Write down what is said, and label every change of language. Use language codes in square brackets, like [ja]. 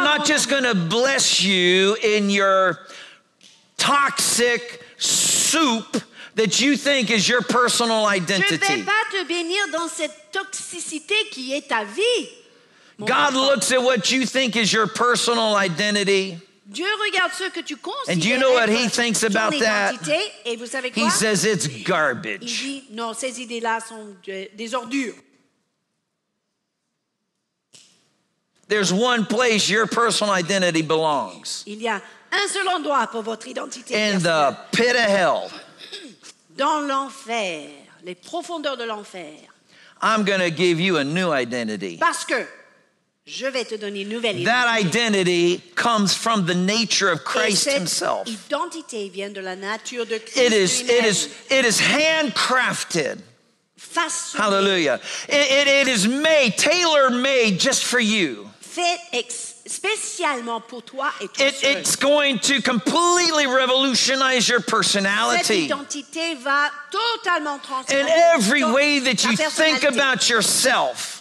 [en] I'm not just going to bless you in your toxic soup that you think is your personal identity. [fr] Je vais pas te bénir dans cette toxicité qui est ta vie. [en] God looks at what you think is your personal identity. [fr] Dieu regarde ce que tu considères. [en] And do you know what he thinks about that? [fr] Et vous savez quoi? [en] He says it's garbage. [fr] Il dit, non, ces idées-là sont des ordures. [en] There's one place your personal identity belongs. [fr] Il y a un seul endroit pour votre identité. [en] In the pit of hell. [fr] Dans l'enfer, les profondeurs de l'enfer. [en] I'm going to give you a new identity. [fr] Parce que je vais te donner une nouvelle identité. [en] That identity comes from the nature of Christ [fr] cette [en] himself. [fr] Cette identité vient de la nature de Christ. [en] It is handcrafted. [fr] Façonné. Hallelujah. [en] It is made, tailor-made just for you. [fr] Fait spécialement pour toi et toi [en] seul. It's going to completely revolutionize your personality. [fr] Cette identité va totalement transformer. [en] In every way that you think about yourself.